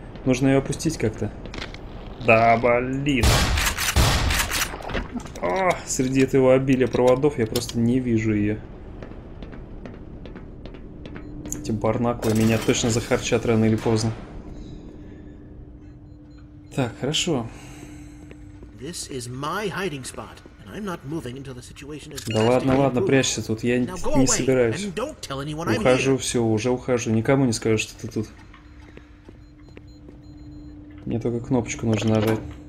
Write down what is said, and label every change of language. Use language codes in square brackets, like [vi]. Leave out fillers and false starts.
[ru] Нужно ее опустить как-то. Да, блин! О, среди этого обилия проводов я просто не вижу ее. Эти барнаклы меня точно захарчат рано или поздно. Так, хорошо. [en] This is my hiding spot, and I'm not moving until the situation is. [ru] Да ладно, ладно, прячься тут, я не собираюсь. Ухожу, все, уже ухожу, никому не скажу, что ты тут. Мне только кнопочку нужно нажать.